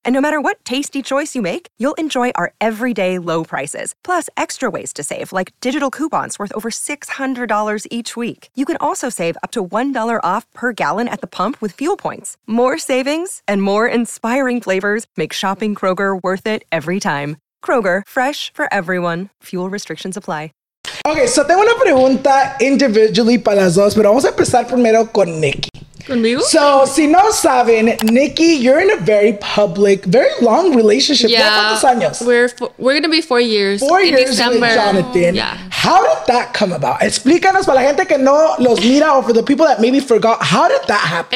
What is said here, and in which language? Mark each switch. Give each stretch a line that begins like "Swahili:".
English: And no matter what tasty choice you make, you'll enjoy our everyday low prices, plus extra ways to save, like digital coupons worth over $600 each week. You can also save up to $1 off per gallon at the pump with fuel points. More savings and more inspiring flavors make shopping Kroger worth it every time. Kroger, fresh for everyone. Fuel restrictions apply.
Spanish: Okay, so tengo una pregunta individually para las dos, pero vamos a empezar primero con Nikki. ¿Conmigo?
English: So,
Spanish: si no saben,
English: Nikki, you're in a very public, very long relationship. Yeah.
Spanish: ¿Cuántos años?
English: We're going to be 4 years. 4 years in December. With Jonathan. Yeah. How did that come about?
Spanish: Explícanos para la gente que no los mira
English: or for the people that maybe forgot. How did that happen?